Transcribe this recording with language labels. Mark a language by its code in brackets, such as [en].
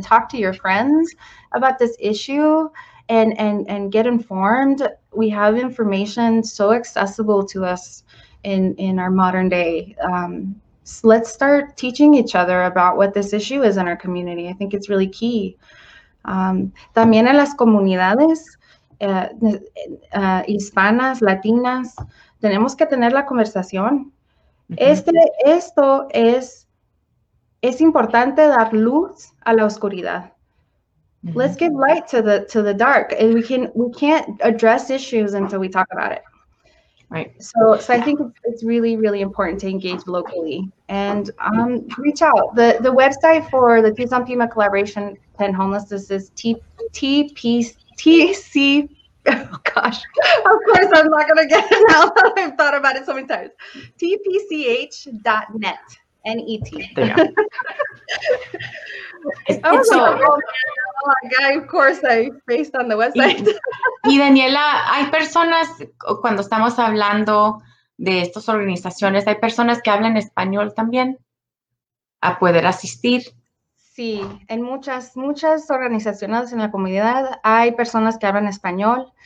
[en] Talk to your friends about this issue and get informed. We have information so accessible to us in our modern day. Let's start teaching each other about what this issue is in our community. I think it's really key. [es] También en las comunidades, hispanas, latinas, tenemos que tener la conversación. Mm-hmm. Esto es importante dar luz a la oscuridad. Mm-hmm. [en] Let's give light to the dark. And we can't address issues until we talk about it. Right. So I think it's really, really important to engage locally and reach out. The website for the Tucson Pima Collaboration 10 Homelessness is TPTC. Oh gosh, of course I'm not gonna get it now. I've thought about it so many times. TPCH.net. N-E-T. It's so, like, of course, I based on the website. [es] Y Daniela, hay personas, cuando estamos hablando de estas organizaciones, hay personas que hablan español también a poder asistir. Sí, en muchas organizaciones en la comunidad hay personas que hablan español.